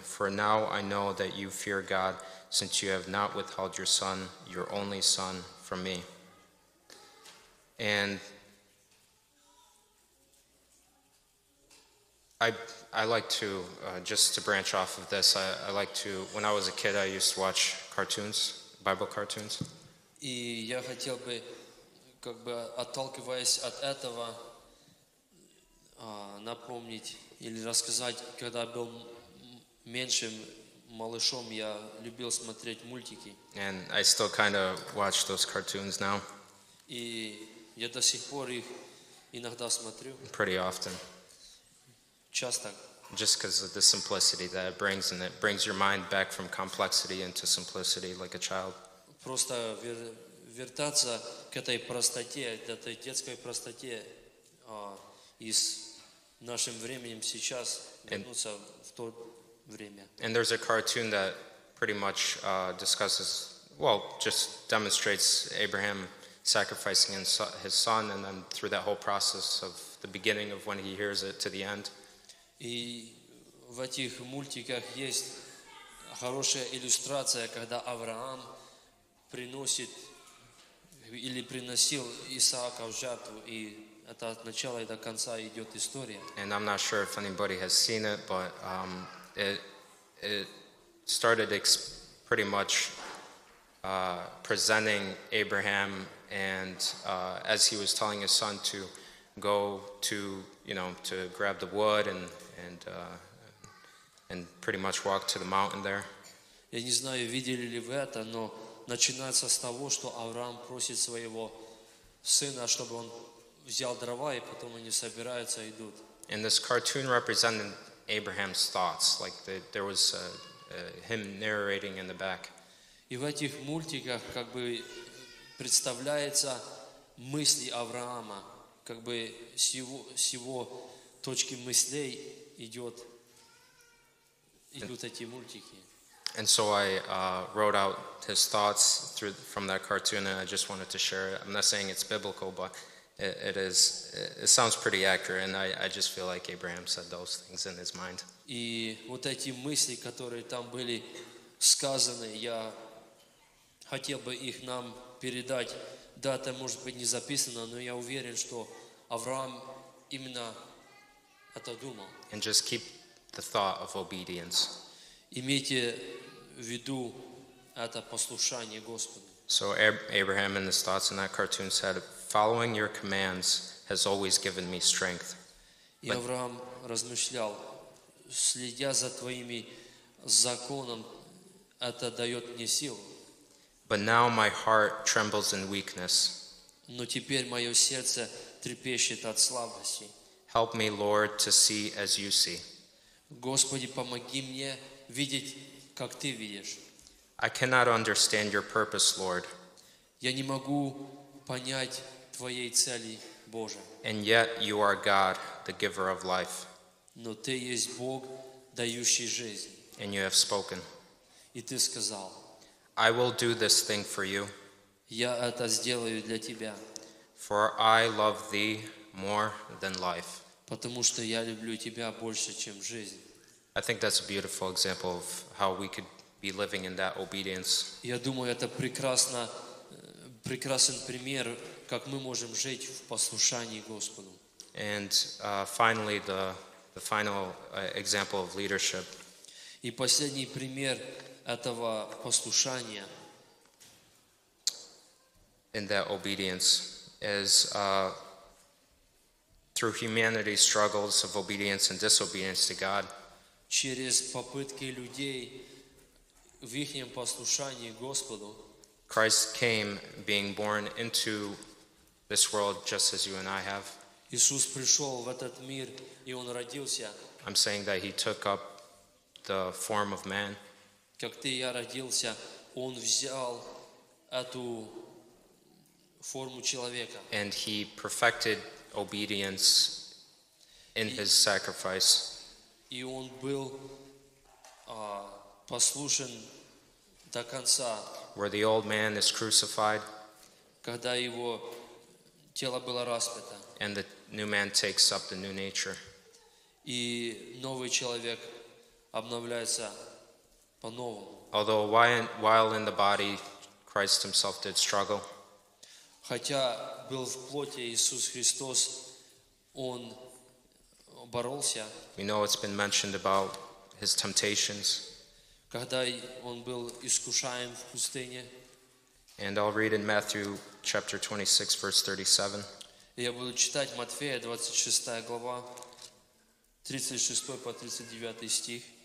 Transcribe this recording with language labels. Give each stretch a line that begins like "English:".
English: For now I know that you fear God, since you have not withheld your son, your only son, from me. And I like to, just to branch off of this, I like to, when I was a kid, I used to watch cartoons, Bible cartoons.
Russian: И я хотел бы, как бы отталкиваясь от этого, напомнить или рассказать, когда был меньшим малышом, я любил смотреть мультики.
English: And I still kind of watch those cartoons now.
Russian: И я до сих пор их иногда смотрю.
English: Pretty often.
Russian: Часто.
English: Just because of the simplicity that it brings, and it brings your mind back from complexity into simplicity like a child.
Russian: Просто вертаться к этой простоте, к этой детской простоте, и с нашим временем сейчас вернуться в то время.
English: And there's a cartoon that pretty much discusses, well, just demonstrates Abraham sacrificing his son, and then through that whole process of the beginning of when he hears it to the end.
Russian: И в этих мультиках есть хорошая иллюстрация, когда Авраам приносит или приносил Исаака в жертву, и это от начала и до конца идет история.
English: And I'm not sure if anybody has seen it, but it started pretty much presenting Abraham and as he was telling his son to go to, you know, to grab the wood and pretty much walk to the mountain there.
Russian: Я не знаю, видели ли вы это, но начинается с того, что Авраам просит своего сына, чтобы он взял дрова, и потом они собираются и идут.
English: And this cartoon represented Abraham's thoughts, like there was him narrating in the back.
Russian: И в этих мультиках как бы представляется мысли Авраама, как бы с его точки мыслей идут эти мультики.
English: And so I wrote out his thoughts through from that cartoon, and I just wanted to share it. I'm not saying it's biblical, but it is. It sounds pretty accurate, and I just feel like Abraham said those things in his mind.
Russian: И вот эти мысли, которые там были сказаны, я хотел бы их нам передать. Да, это может быть не записано, но я уверен, что Авраам именно это думал.
English: And just keep the thought of obedience.
Russian: Имейте в виду это послушание Господу.
English: So Abraham in his thoughts in that cartoon said, following your commands has always given me strength.
Russian: И Авраам размышлял, следя за твоими законом, это дает мне силу.
English: But now my heart trembles in weakness.
Russian: Но теперь мое сердце трепещет от слабости.
English: Help me, Lord, to see as you see.
Russian: Господи, помоги мне видеть, как ты видишь.
English: I cannot understand your purpose, Lord.
Russian: Я не могу понять твоей цели, Боже.
English: And yet you are God, the giver of life.
Russian: Но ты есть Бог, дающий жизнь.
English: And you have spoken.
Russian: И ты сказал.
English: I will do this thing for you.
Russian: Я это сделаю для тебя.
English: For I love thee more than life.
Russian: Потому что я люблю тебя больше, чем жизнь.
English: I think that's a beautiful example of how we could be living in that obedience.
Russian: Я думаю, это прекрасно, прекрасен пример, как мы можем жить в послушании Господу.
English: And finally, the final example of leadership.
Russian: И последний пример этого послушания.
English: In that obedience is through humanity's struggles of obedience and disobedience to God.
Russian: Через попытки людей в ихнем послушании Господу.
English: Christ came being born into this world just as you and I have.
Russian: Иисус пришел в этот мир и он родился.
English: I'm saying that he took up the form of man.
Russian: Как ты и я родился, он взял эту форму человека.
English: And he perfected obedience in his sacrifice.
Russian: И он был послушен до конца.
English: Where the old man is crucified.
Russian: Когда его тело было распято.
English: And the new man takes up the new nature.
Russian: И новый человек обновляется по-новому.
English: Although while in the body, Christ himself did struggle.
Russian: Хотя был в плоти Иисус Христос, он боролся.
English: We know it's been mentioned about his temptations.
Russian: Когда он был искушаем в пустыне.
English: And I'll read in Matthew chapter 26, verse 37.
Russian: Я буду читать Матфея 26 глава, 36 по 39 стих.